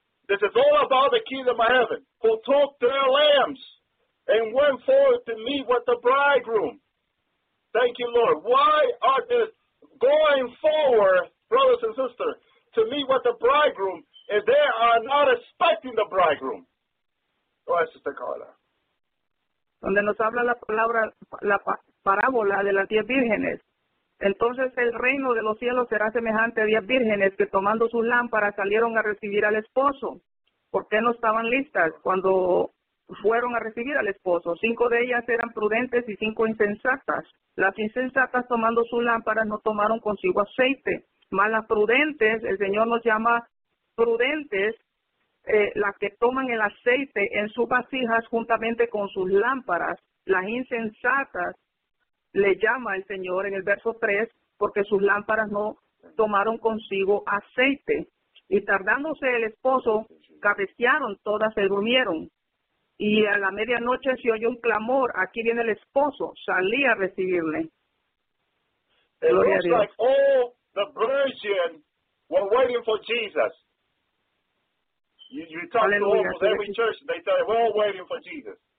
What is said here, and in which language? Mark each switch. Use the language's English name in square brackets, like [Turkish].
[English] This is all about the kingdom of heaven, who took their lambs and went forth to meet with the bridegroom. Thank you, Lord. Why are they going forward, brothers and sisters, to meet with the bridegroom if they are not expecting the bridegroom? Go ahead, Sister Carla. [Spanish] Donde nos habla la parábola de las 10 vírgenes. Entonces el reino de los cielos será semejante a 10 vírgenes que tomando sus lámparas salieron a recibir al esposo. ¿Por qué no estaban listas cuando fueron a recibir al esposo? 5 de ellas eran prudentes y 5 insensatas. Las insensatas tomando sus lámparas no tomaron consigo aceite. Más las prudentes, el Señor nos llama prudentes, las que toman el aceite en sus vasijas juntamente con sus lámparas. Las insensatas le llama el Señor en el verso 3 porque sus lámparas no tomaron consigo aceite. Y tardándose el esposo, cabecearon, todas se durmieron. Y a la medianoche se oyó un clamor, aquí viene el esposo, salí a recibirle. [English] It looks like all the virgins were waiting for Jesus. You talk Aleluya. To almost every church, they tell you, we're all waiting for Jesus.